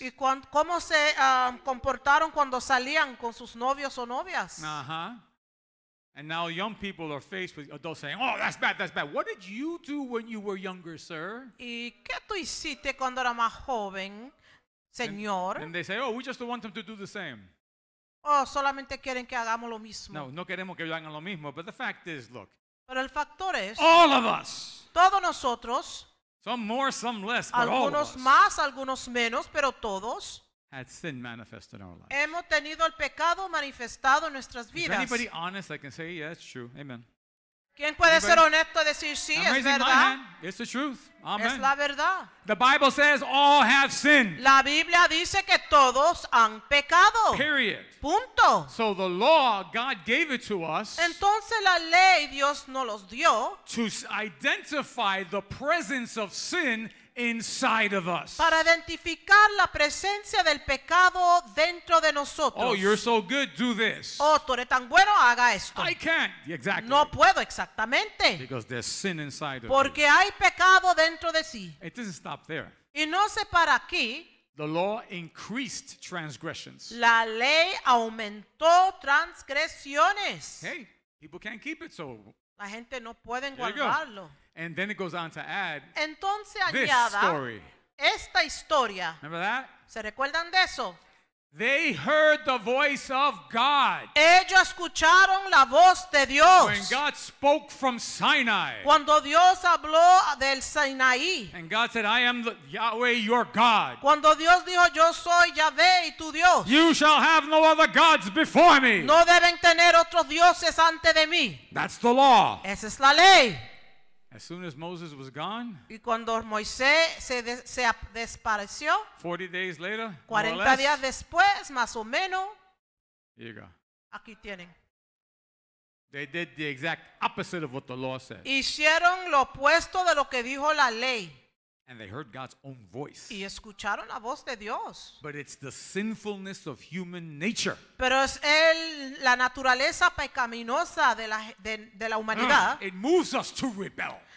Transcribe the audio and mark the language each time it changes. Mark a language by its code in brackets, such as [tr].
[es] ¿Y cómo se comportaron cuando salían con sus novios o novias? [en] And now young people are faced with adults saying, oh, that's bad. What did you do when you were younger, sir? [es] ¿Y qué tú hiciste cuando era más joven, señor? [en] And they say, oh, we just want them to do the same. [es] Oh, solamente quieren que hagamos lo mismo. No queremos que hagan lo mismo, [en] but the fact is, look. [es] Pero el factor es, [en] all of us. [es] Todos nosotros. [en] Some more, some less, but [es] algunos [en] all of us. [es] Más, algunos menos, pero todos. [en] Had sin manifest in our lives. [es] Hemos tenido el pecado manifestado en nuestras vidas. [en] Is anybody honest that can say, yeah, it's true. Amen. [es] ¿Quién puede ser honesto y decir sí, [en] I'm [es] es verdad? [en] My hand. It's the truth. Amen. [es] Es la verdad. [en] The Bible says all have sinned. [es] La Biblia dice que todos han pecado. [en] Period. [es] Punto. [en] So the law, God gave it to us. [es] Entonces la ley Dios nos los dio. [en] To identify the presence of sin inside of us. [es] Para identificar la presencia del pecado dentro de nosotros. [en] Oh, you're so good, do this. [es] Oh, tú eres tan bueno, haga esto. [en] I can't, exactly. [es] No puedo, exactamente. [en] Because there's sin inside of [es] us. Porque hay pecado dentro de sí. [en] It doesn't stop there. [es] Y no se para aquí. [en] The law increased transgressions. [es] La ley aumentó transgresiones. [en] Hey, people can't keep it so. [es] La gente no pueden guardarlo. [en] And then it goes on to add [es] entonces, [en] this [es] añada, [en] story. [es] Esta historia. [en] Remember that? [es] ¿Se recuerdan de eso? [en] They heard the voice of God. [es] Ellos escucharon la voz de Dios. [en] When God spoke from Sinai. [es] Cuando Dios habló del Sinaí. [en] And God said, I am Yahweh your God. [es] Cuando Dios dijo, yo soy Yahweh, tu Dios. [en] You shall have no other gods before me. [es] No deben tener otros dioses ante de mí. [en] That's the law. [es] Esa es la ley. [en] As soon as Moses was gone, [es] y cuando Moisés se desapareció, [en] 40 days later, [es] 40 días después, más o menos, [en] here you go. [es] Aquí tienen. [en] They did the exact opposite of what the law said. [es] Hicieron lo opuesto de lo que dijo la ley. [en] And they heard God's own voice. [es] Y escucharon la voz de Dios. [en] But it's the sinfulness of human nature. [es] Pero es la naturaleza pecaminosa de la humanidad. [en] It moves us to rebel.